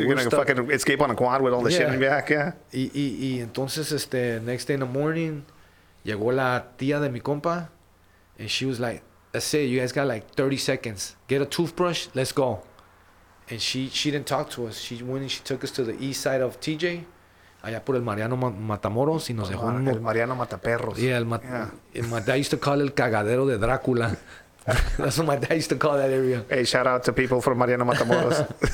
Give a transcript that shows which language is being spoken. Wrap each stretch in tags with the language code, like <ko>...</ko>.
<en>You're going to fucking escape on a quad with all the shit in the back, yeah?</en> <es>Y entonces,</es> <en>next day in the morning,</en> <es>llegó la tía de mi compa.</es> <en>And she was like, that's it. You guys got like 30 seconds. Get a toothbrush. Let's go. And she didn't talk to us. She went and she took us to the east side of TJ.</en> <es>Allá por el Mariano Matamoros y nos dejó un... El Mariano Mataperros.</es> <en>My dad used to call</en> <es>el cagadero de Drácula.</es> <en>That's what my dad used to call that area. Hey, shout out to people from Mariano Matamoros.</en>